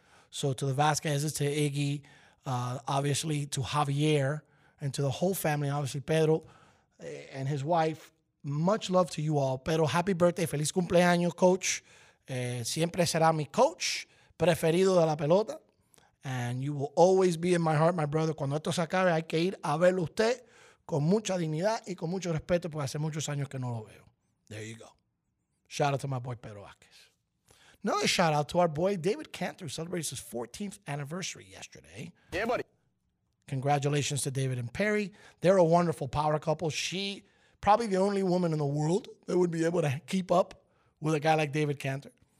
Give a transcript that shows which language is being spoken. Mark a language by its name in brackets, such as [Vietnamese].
[English] So to the Vasquezes, to Iggy, obviously to Javier, and to the whole family, obviously Pedro and his wife, much love to you all. Pedro, happy birthday. [Spanish] Feliz cumpleaños, coach. Siempre será mi coach preferido de la pelota. [English] And you will always be in my heart, my brother. [Spanish] Cuando esto se acabe, hay que ir a verlo usted con mucha dignidad y con mucho respeto, porque hace muchos años que no lo veo. [English] There you go. Shout out to my boy Pedro Vasquez. Another shout out to our boy David Cantor, who celebrates his 14th anniversary yesterday. Yeah, buddy. Congratulations to David and Perry. They're a wonderful power couple. She, probably the only woman in the world that would be able to keep up with a guy like David Cantor.